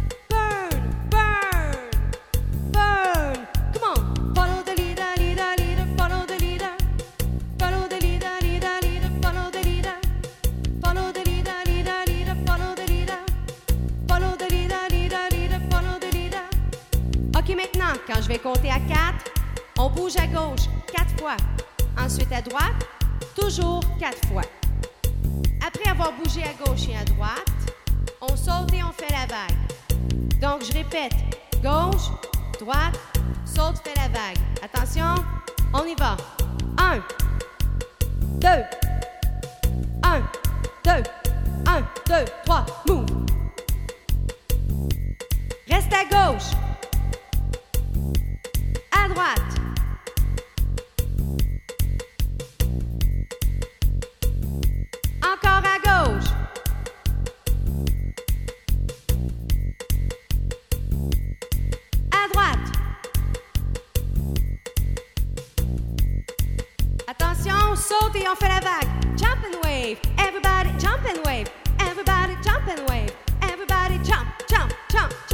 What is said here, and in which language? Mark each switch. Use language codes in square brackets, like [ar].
[en] Burn, burn, burn. Come on. Follow the leader, leader, leader. Follow the leader. Follow the leader, leader, leader. Follow the leader. Follow the leader, leader, leader. Follow the leader. Follow the leader, leader, leader. Follow the leader. [fr] OK, maintenant, quand je vais compter à quatre, on bouge à gauche quatre fois. Ensuite à droite, toujours quatre fois. Après avoir bougé à gauche et à droite, on saute et on fait la vague. Donc, je répète, gauche, droite, saute, fais la vague. Attention, on y va. Un, deux. Un, deux. Un, deux, trois, [en] move. [fr] Reste à gauche. À droite. Encore à gauche. À droite. Attention, saute et on fait la vague. [en] Jump and wave. Everybody jump and wave. Everybody jump and wave. Everybody jump, jump, jump.